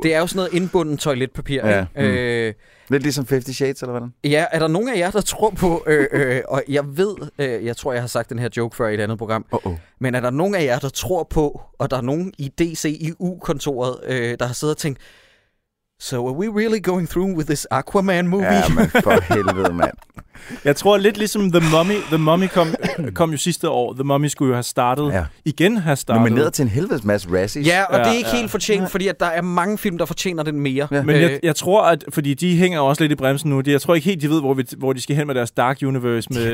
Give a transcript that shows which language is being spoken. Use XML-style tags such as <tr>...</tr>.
<da>Det er jo sådan noget indbundet toiletpapir. Ja. Lidt ligesom 50 Shades, eller hvad? Ja, er der nogen af jer, der tror på... og jeg ved... jeg tror, jeg har sagt den her joke før i et andet program. Men er der nogen af jer, der tror på, og der er nogen i DCEU-kontoret, der har siddet og tænkt...</da> <en>So are we really going through with this Aquaman movie?</en> <da>Ja, men for helvede, mand. Jeg tror lidt ligesom The Mummy. The Mummy kom jo sidste år. The Mummy skulle jo have startet. Ja. Igen have startet. Men ned til en helvedes masse Razzies. Ja, og det er ikke helt fortjent, fordi at der er mange film, der fortjener den mere. Ja. Men jeg tror, at fordi de hænger også lidt i bremsen nu. Jeg tror ikke helt, de ved, hvor de skal hen med deres Dark Universe.</da>